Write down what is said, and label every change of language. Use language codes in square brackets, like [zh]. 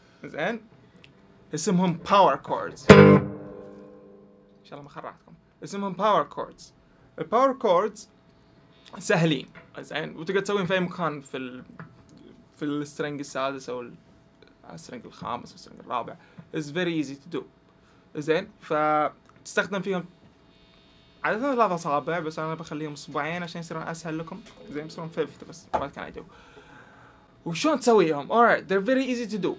[ar] زين اسمهم power chords. إن شاء الله ما خرعتكم. اسمهم power chords. The power chords سهلين. زين وتقدر تسوين في أي مكان في السترنج السادس أو السترنج الخامس أو السترنج الرابع. [en] It's very easy to do. [ar] زين فتستخدم فيهم عادة ثلاث أصابع بس أنا بخليهم أصبعين عشان يصيرون أسهل لكم. زين يصيرون فيفت بس ما كان يدو. وشون تسويهم؟ [en] Alright, they're very easy to do.